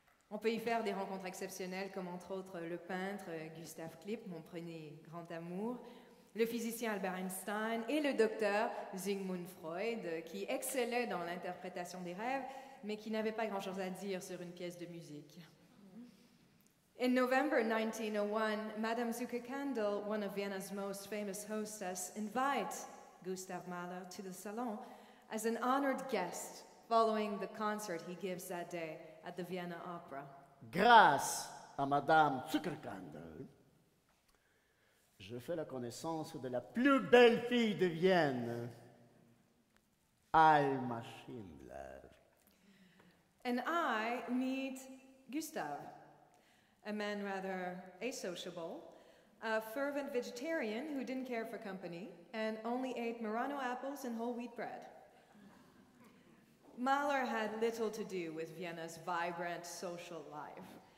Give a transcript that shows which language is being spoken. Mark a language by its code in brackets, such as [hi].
[fr] On peut y faire des rencontres exceptionnelles comme entre autres le peintre Gustav Klimt, mon premier grand amour, le physicien Albert Einstein et le docteur Sigmund Freud qui excellait dans l'interprétation des rêves mais qui n'avait pas grand-chose à dire sur une pièce de musique. [en] In November 1901, Madame Zuckerkandel, one of Vienna's most famous hostess, invites Gustav Mahler to the salon as an honored guest following the concert he gives that day at the Vienna Opera. [fr] Grâce à Madame Zuckerkandel, je fais la connaissance de la plus belle fille de Vienne, Alma Schindler. [en] And I meet Gustav, a man rather asociable, a fervent vegetarian who didn't care for company and only ate Murano apples and whole wheat bread. Mahler had little to do with Vienna's vibrant social life.